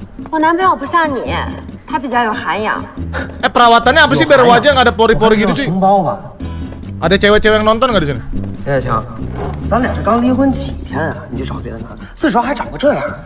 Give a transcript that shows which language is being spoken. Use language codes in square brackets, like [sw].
[zh] 我男朋友不像你，他比较有涵养。 [id] Eh, perawatannya apa sih biar wajah nggak ada pori-pori gitu sih? Sumbawa. Ada cewek-cewek yang nonton nggak di sini? Ya, Chang. [zh] 咱俩是刚离婚几天啊？你就找别的男的，最少还找个这样。